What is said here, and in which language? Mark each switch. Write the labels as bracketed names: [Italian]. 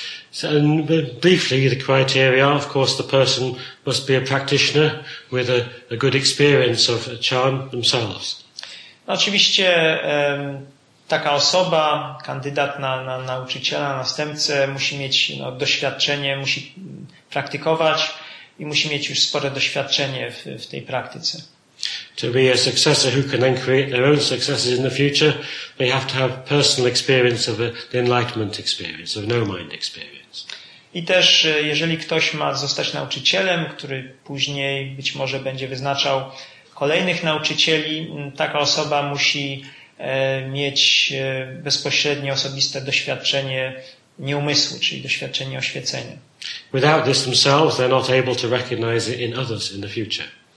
[English] So, briefly, the criteria, of course, the person must be a practitioner with a good experience of Chan themselves. [Polish] No, oczywiście taka osoba, kandydat na nauczyciela, następcę, musi mieć no, doświadczenie, musi praktykować i musi mieć już spore doświadczenie w tej praktyce. [English] To be a successor who can then create their own successes in the future, they have to have personal experience of the enlightenment experience, of no mind experience. [Polish] I też jeżeli ktoś ma zostać nauczycielem, który później być może będzie wyznaczał kolejnych nauczycieli, taka osoba musi mieć bezpośrednie osobiste doświadczenie nieumysłu, czyli doświadczenie oświecenia. [English] Without this themselves, they're not able to recognize it in others in the future.